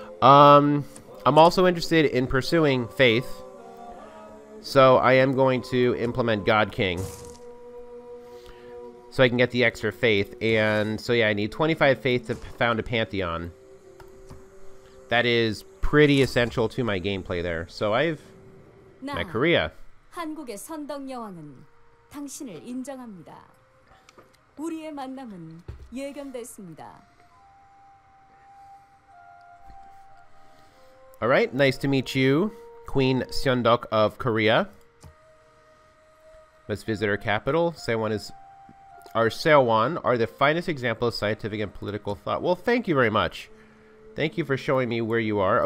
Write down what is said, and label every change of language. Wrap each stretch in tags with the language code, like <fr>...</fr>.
<en>I'm also interested in pursuing faith, so I am going to implement God King so I can get the extra faith. And so yeah, I need 25 faith to found a pantheon. That is pretty essential to my gameplay there. So I've met Korea.</en> <ko>한국의 선덕 여왕은 당신을 인정합니다. 우리의 만남은 예견됐습니다.</ko> <en>All right, nice to meet you, Queen Seondok of Korea. Let's visit our capital. Seowon are the finest example of scientific and political thought. Well, thank you very much. Thank you for showing me where you are.</en>